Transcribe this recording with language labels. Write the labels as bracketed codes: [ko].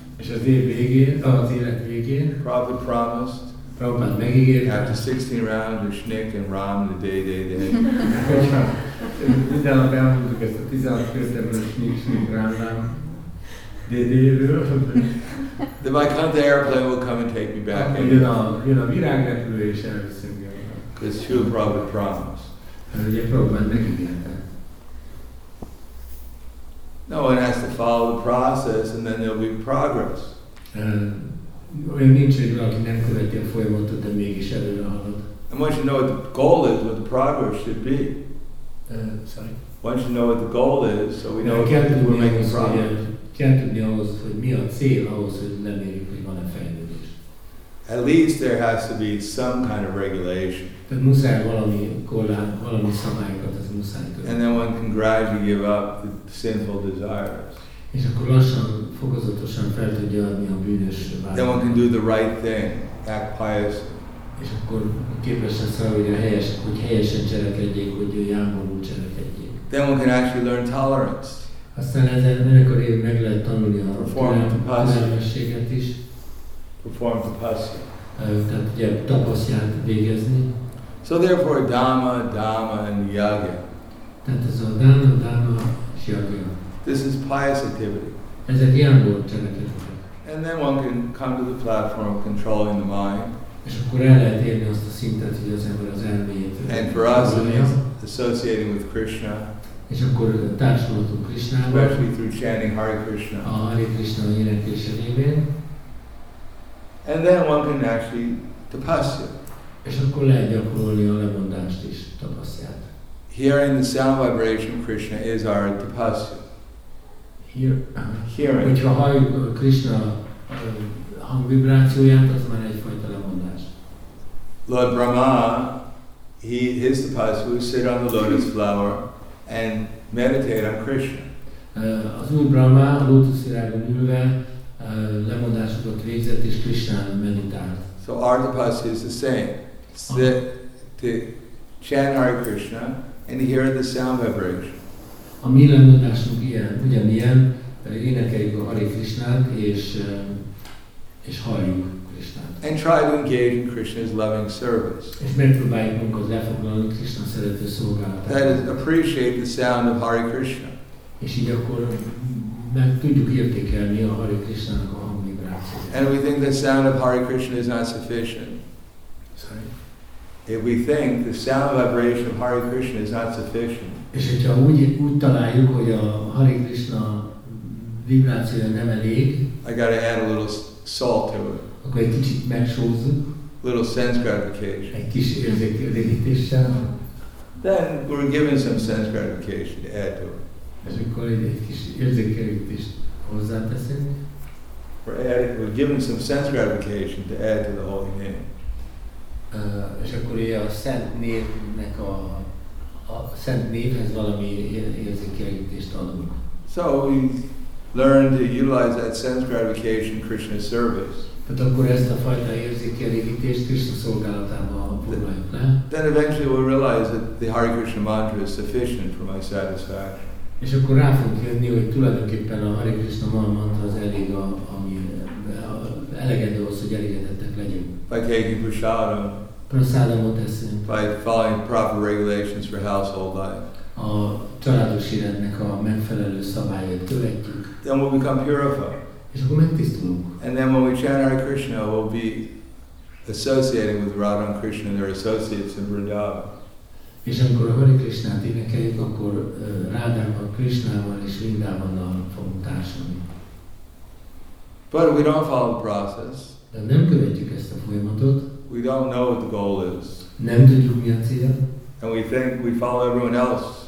[hu] és az év végén, az élet végén, [en] Prabhupada promised. [hu] Prabhupada megígérte. [en] After 16 rounds of schnick and ram, the day, day, day. [hu] Utána elmondtuk ezt a 16 közepes nincsnék rándám dédéről. De majd [en] come the airplane, will come and take me back. [hu] Jön a virágrepülő és elviszünk. [en] Because Srila Prabhupada promised. [hu] Ugye Prabhupada megígérte. [en] No one has to follow the process and then there'll be progress. [hu] Olyan nincs egy valaki, nem követi a folyamatot, de mégis előre halad. [en] And once you know what the goal is, what the progress should be. Once you know what the goal is, so we know what we're making progress. [hu] Kell tudni ahhoz, hogy mi a cél ahhoz, hogy lemérjük, hogy van-e fejlődés. [en] At least there has to be some kind of regulation. [hu] Tehát muszáj valami korlát, valami szabályokat, ez muszáj között. [en] And then one can gradually give up the sinful desires. [hu] És akkor lassan, fokozatosan fel tudja adni a bűnös vágyat. [en] Then one can do the right thing, act pious. [hu] És akkor képes lesz arra, hogy, hogy helyesen cselekedjék, hogy jámborul cselekedjék. [en] Then one can actually learn tolerance. [hu] Aztán ezen akkor én meg lehet tanulni a türelmességet is. [en] Perform vipassana. [hu] Tehát ugye tapasztját végezni. [en] So therefore dhamma, dhamma and yagya. [hu] Tehát ez a dhamma, dhamma és yagya. [en] This is pious activity. [hu] Ez egy jámbor cselekedet. [en] And then one can come to the platform of controlling the mind. [hu] És akkor el lehet érni azt a szintet, hogy az ember az elméjét. [en] And for us, it means associating with Krishna. [hu] És akkor társulhatunk Krishnával. [en] Especially through chanting Hare Krishna. [hu] A Hare Krishna énekése révén. [en] And then one can actually tapasya. [hu] És akkor lehet gyakorolni a lemondást is, tapasztját. [en] Hearing the sound vibration of Krishna is our tapasya. Hearing. [hu] Hogyha halljuk Krishna hangvibrációját, az már egyfajta lemondás. [en] Lord Brahma, his tapasya would sit on the lotus flower and meditate on Krishna. [hu] Az Úr Brahma a lótusz virágon ülve lemondásokat végzett és Krishnán meditált. [en] So our tapasya is the same. Sit to chant Hare Krishna and hear the sound vibration. [hu] A mi lemondásunk ilyen, ugyanilyen, énekeljük a Hare Krishnát és halljuk Krishnát. [en] And try to engage in Krishna's loving service. [hu] És megpróbáljuk magunkat lefoglalni Krishna szerető szolgálatába. [en] That is, appreciate the sound of Hare Krishna. [hu] És így akkor meg tudjuk értékelni a Hare Krishnának a hangvibrációját. [en] And we think the sound of Hare Krishna is not sufficient. Sorry. If we think the sound vibration of Hare Krishna is not sufficient. [hu] És hogyha úgy találjuk, hogy a Hare Krishna vibrációja nem elég. [en] I gotta add a little salt to it. [hu] Akkor egy kicsit megsózzuk. [en] Little sense gratification. [hu] Egy kis érzékelégítéssel. [en] Then we're given some sense gratification to add to it. [hu] És akkor egy kis érzékelégítést hozzáteszünk. [en] We're given some sense gratification to add to the holy name. [hu] És akkor ugye a szent névnek a szent névhez valami érzékelégítést adunk. [en] So we learn to utilize that sense gratification Krishna service. [hu] Tehát akkor ezt a fajta érzékelégítést Krishna szolgálatába foglaljuk le. [en] Then eventually we'll realize that the Hare Krishna mantra is sufficient for my satisfaction. [hu] És akkor rá fogunk jönni, hogy tulajdonképpen a Hare Krishna mantra az elég, ami elegendő ahhoz, hogy elégedettek legyünk. [en] By taking prasadam. [hu] Prasadamot eszünk. [en] By following proper regulations for household life. [hu] A családos életnek a megfelelő szabályait követjük. [en] Then we'll become purified. [hu] És akkor megtisztulunk. [en] And then when we chant Hare Krishna, we'll be associating with Radha and Krishna and their associates in Vrindavan. [hu] És amikor a Hare Krishnát énekeljük, akkor Rádával, Krishnával és Vrindavannal fogunk társulni. [en] But we don't follow the process. [hu] De nem követjük ezt a folyamatot. [en] We don't know what the goal is. [hu] Nem tudjuk, mi a cél. [en] And we think we follow everyone else.